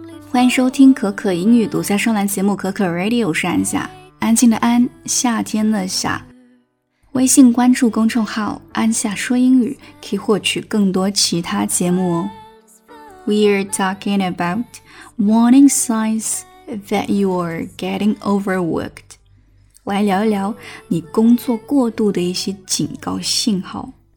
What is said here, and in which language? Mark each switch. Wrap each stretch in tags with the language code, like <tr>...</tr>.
<zh>欢迎收听可可英语独家专栏节目可可 Radio， 我是安夏，安静的安，夏天的夏。微信关注公众号安夏说英语，可以获取更多其他节目哦。</zh> <en>We're talking about warning signs that you are getting overworked.</en> <zh>来聊一聊你工作过度的一些警告信号。</zh>